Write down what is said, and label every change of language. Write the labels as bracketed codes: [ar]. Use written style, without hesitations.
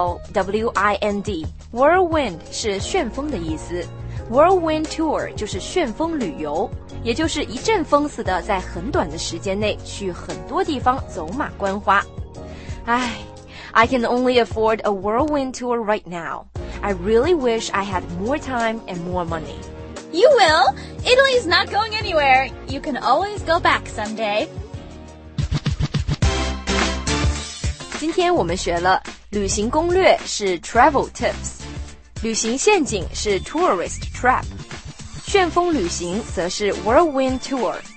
[zh] whirlwind, whirlwind 是旋风的意思。 Whirlwind tour 就是旋风旅游，也就是一阵风似的在很短的时间内去很多地方走马观花。 [en] 唉， I can only afford a whirlwind tour right now. I really wish I had more time and more money. You will! Italy is not going anywhere. You can always go back someday. [zh] 今天我们学了旅行攻略是 travel tips. 旅行陷阱是 tourist trap， 旋风旅行则是 whirlwind tour。